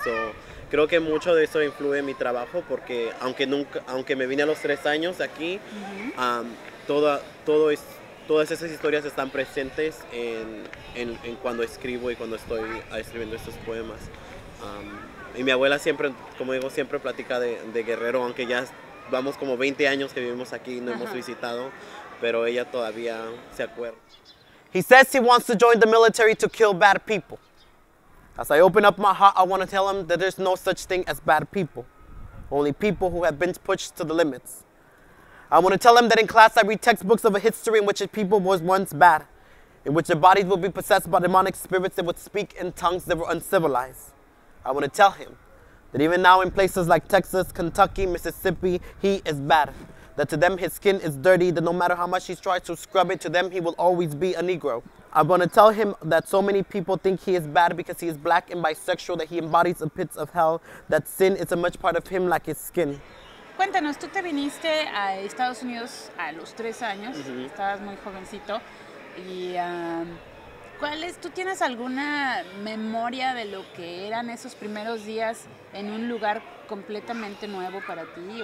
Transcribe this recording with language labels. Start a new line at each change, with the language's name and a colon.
Spanish: O creo que mucho de eso influye en mi trabajo porque aunque me vine a los 3 años aquí, todas esas historias están presentes en cuando escribo y cuando estoy escribiendo estos poemas. Y mi abuela siempre, como digo, siempre platica de Guerrero, aunque ya vamos como 20 años que vivimos aquí y no hemos visitado, pero ella todavía se acuerda.
English: He says he wants to join the military to kill bad people. As I open up my heart, I want to tell him that there's no such thing as bad people, only people who have been pushed to the limits. I want to tell him that in class I read textbooks of a history in which a people was once bad, in which their bodies would be possessed by demonic spirits that would speak in tongues that were uncivilized. I want to tell him that even now in places like Texas, Kentucky, Mississippi, he is bad, that to them his skin is dirty, that no matter how much he tries to scrub it, to them he will always be a Negro. I'm gonna tell him that so many people think he is bad because he is black and bisexual, that he embodies the pits of hell, that sin is a much part of him like his skin.
Spanish: Cuéntanos, tú te viniste a Estados Unidos a los 3 años, estabas muy jovencito, y ¿cuál es? ¿Tú tienes alguna memoria de lo que eran esos primeros días en un lugar completamente nuevo para ti?